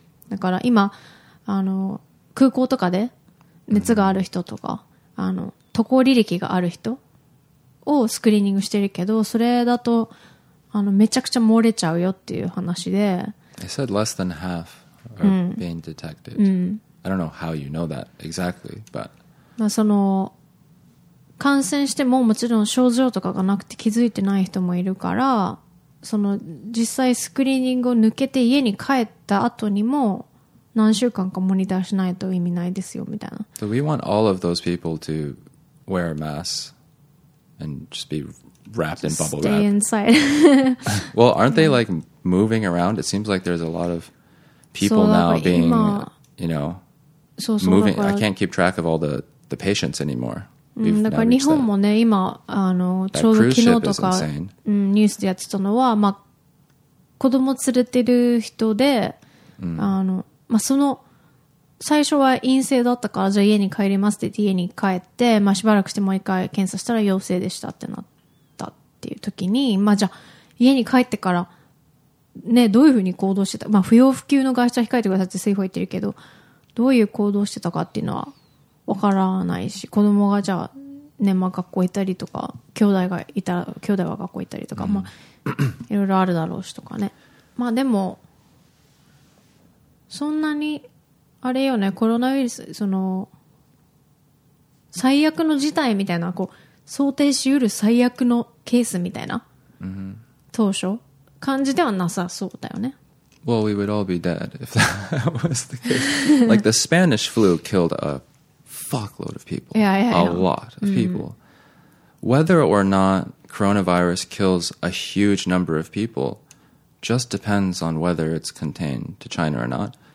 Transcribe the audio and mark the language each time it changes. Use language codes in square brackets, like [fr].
[ja] だから今あの空港とかで熱がある人とか、あの渡航履歴がある人をスクリーニングしてるけどそれだとあのめちゃくちゃ漏れちゃうよっていう話で [en] I said less than halfBeing detected. I don't know how you know that exactly, but. [ja] まあその感染してももちろん症状とかがなくて気づいてない人もいるから、その実際スクリーニングを抜けて家に帰った後にも何週間かモニターしないと意味ないですよみたいな。 [en] So we want all of those people to wear masks and just be wrapped in bubble wrap. Stay inside. Well, aren't they like moving around? It seems like there's a lot of. People now being, you know, moving. I can't keep track of all the patients anymore. [ja] だから日本もね、今あのちょうど昨日とか、ニュースでやってたのは、まあ子供連れてる人で、あのまあその最初は陰性だったからじゃあ家に帰りますって言って家に帰って、まあしばらくしてもう一回検査したら陽性でしたってなったっていう時に、まあじゃあ家に帰ってから。ね、どういうふうに行動してた、まあ、不要不急の外出は控えてくださいって政府は言ってるけどどういう行動してたかっていうのは分からないし子供がじゃあ、ねまあ、学校行ったりとか兄弟がいたら兄弟は学校行ったりとか、まあ、いろいろあるだろうしとかねまあでもそんなにあれよね、コロナウイルス、その最悪の事態みたいな、こう想定しうる最悪のケースみたいな、 mm-hmm. 当初感じではなさそうだよね。 [en] Well, we would all be dead if that was the case. Like the Spanish flu killed a fuckload of people. Yeah, yeah, yeah. A lot of people. Whether or not coronavirus kills a huge number of people just depends on whether it's contained to China or not.